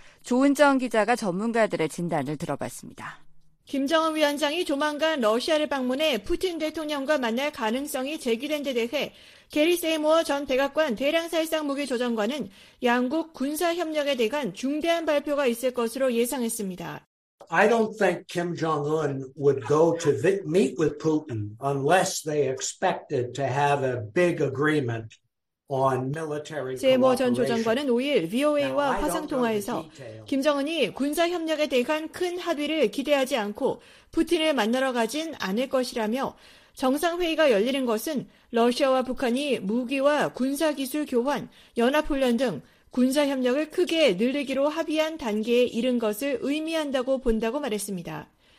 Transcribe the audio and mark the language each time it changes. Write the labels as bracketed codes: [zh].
[ko] 조은정 기자가 전문가들의 진단을 들어봤습니다. 김정은 위원장이 조만간 러시아를 방문해 푸틴 대통령과 만날 가능성이 제기된 데 대해 게리 세이모어 전 백악관 대량살상무기조정관은 양국 군사협력에 대한 중대한 발표가 있을 것으로 예상했습니다. [en] I don't think Kim Jong-un would go to meet with Putin unless they expected to have a big agreement. [ko] 세이머 전 조정관은 5일 VOA와 화상통화에서 김정은이 군사협력에 대한 큰 합의를 기대하지 않고 푸틴을 만나러 가진 않을 것이라며 정상회의가 열리는 것은 러시아와 북한이 무기와 군사기술 교환, 연합훈련 등 군사협력을 크게 늘리기로 합의한 단계에 이른 것을 의미한다고 본다고 말했습니다.